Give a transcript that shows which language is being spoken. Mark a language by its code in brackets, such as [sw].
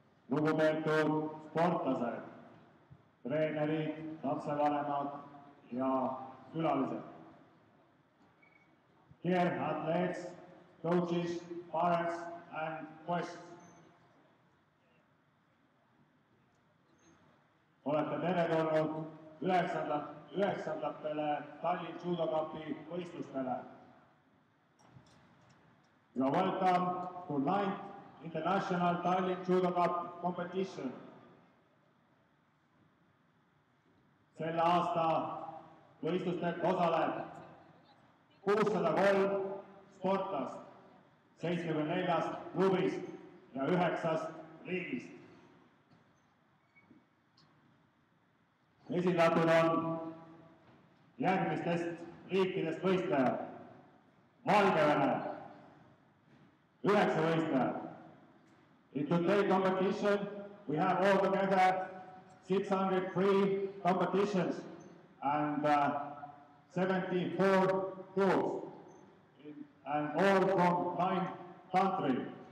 [et] Lugupeetud sportlased, treenerid, lapsevanemad ja külalised. [en] Dear athletes, coaches, parents and guests. [et] Olete perekonnad üheksandatele Tallinn Judo Cupi võistlustele. [en] You are welcome to 9th International Tallinn Judo Cup Competition. [et] Selle aasta võistlustel osaleb 603 sportlast, 74 klubist ja 9 riigist. Esindatud on järgmistest riikidest võistlejad. Valgevene, 9 võistlejad. [en] In today's competition, we have all together 603 competitions and 74 groups and all from 9 countries.